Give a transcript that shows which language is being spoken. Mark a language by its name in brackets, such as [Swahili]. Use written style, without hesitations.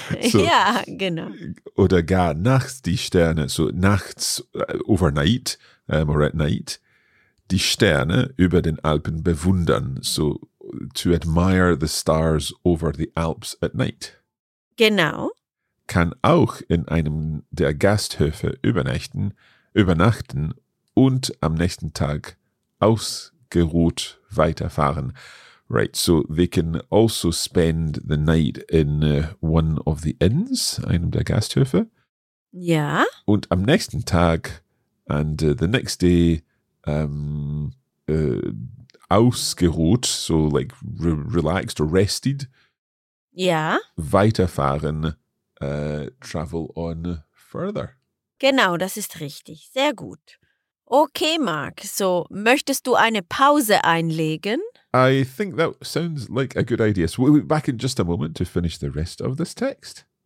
[English] So, yeah, genau. [German] Oder gar nachts die Sterne. So nachts, [English] overnight, or at night. [German] Die Sterne über den Alpen bewundern. [English] So to admire the stars over the Alps at night. [German] Genau. Kann auch in einem der Gasthöfe übernachten und am nächsten Tag ausgeruht weiterfahren. [English] Right, so they can also spend the night in one of the inns, [German] einem der Gasthöfe. Ja. Und am nächsten Tag, [English] and the next day, ausgeruht, so like relaxed or rested. [German] Ja. [English] Weiterfahren, travel on further. [German] Genau, das ist richtig. Sehr gut. [English] Okay, [German] Mark, so möchtest du eine Pause einlegen? [English] I think that sounds like a good idea. So we'll be back in just a moment to finish the rest of this text.